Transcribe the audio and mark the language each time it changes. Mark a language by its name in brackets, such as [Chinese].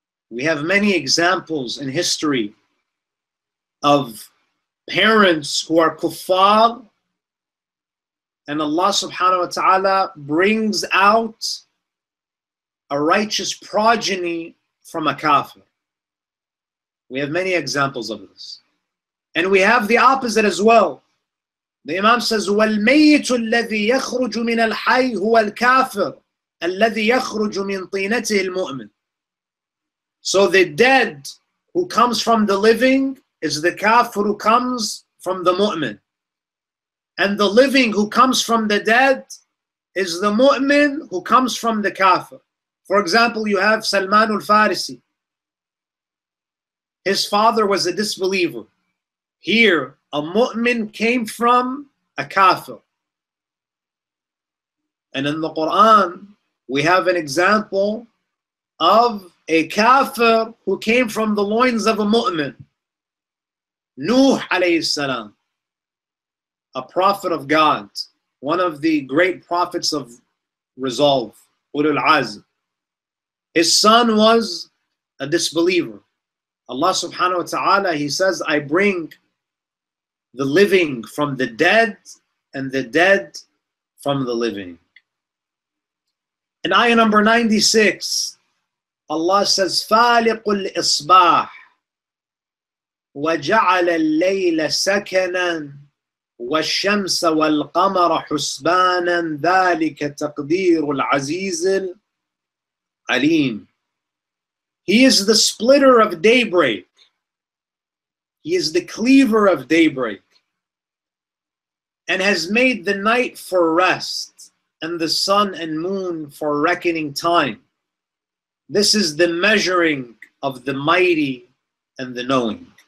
[English] We have many examples in history of parents who are kuffar, and Allah subhanahu wa ta'ala brings out a righteous progeny from a kafir. We have many examples of this. And we have the opposite as well. The Imam says, [Arabic] وَالْمَيِّتُ الَّذِي يَخْرُجُ مِنَ الْحَيِّ هُوَ الْكَافِرُ الَّذِي يَخْرُجُ مِنْ طِينَتِهِ الْمُؤْمِنِ. [English] So the dead who comes from the living is the kafir who comes from the mu'min. And the living who comes from the dead is the mu'min who comes from the kafir. For example, you have Salman al-Farisi. His father was a disbeliever. Here, a mu'min came from a kafir. And in the Quran, we have an example of a kafir who came from the loins of a mu'min. Nuh alayhi salam, a prophet of God, one of the great prophets of resolve, Ulul Azm. His son was a disbeliever. Allah subhanahu wa ta'ala, he says, I bring the living from the dead and the dead from the living. In ayah number 96, Allah says, [Arabic] فَالِقُ الْإِصْبَاحِ وَجَعَلَ اللَّيْلَ سَكَنًا وَالشَّمْسَ وَالْقَمَرَ حُسْبَانًا ذَلِكَ تَقْدِيرُ الْعَزِيزِ الْعَلِيمِ. [English] He is the splitter of daybreak. He is the cleaver of daybreak. And has made the night for rest, and the sun and moon for reckoning time. This is the measuring of the mighty and the knowing.